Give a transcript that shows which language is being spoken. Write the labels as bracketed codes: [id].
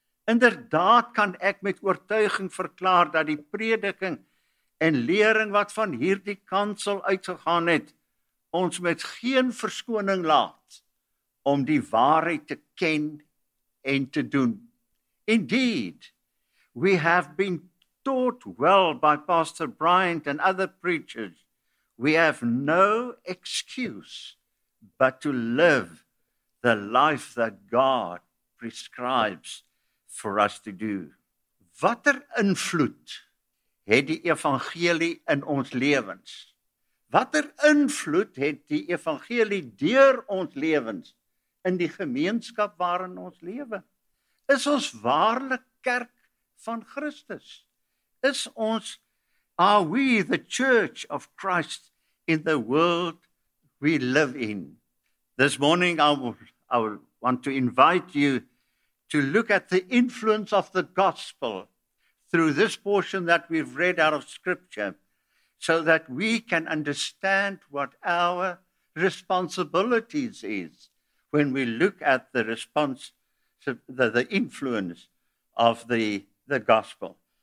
[af] Inderdaad kan ek met oortuiging verklaar dat die prediking en lering wat van hierdie kansel uitgegaan het, ons met geen verskoning laat om die waarheid te ken en te doen. [en] Indeed, we have been taught well by Pastor Bryant and other preachers. We have no excuse but to live the life that God prescribes for us to do. [af] Watter invloed het die evangelie in ons lewens? Watter invloed het die evangelie deur ons lewens in die gemeenskap waarin ons lewe? Is ons waarlik kerk van Christus? Is ons, [en] are we the church of Christ in the world we live in? This morning I want to invite you to look at the influence of the gospel through this portion that we've read out of scripture, so that we can understand what our responsibilities is when we look at the response, the influence of the gospel.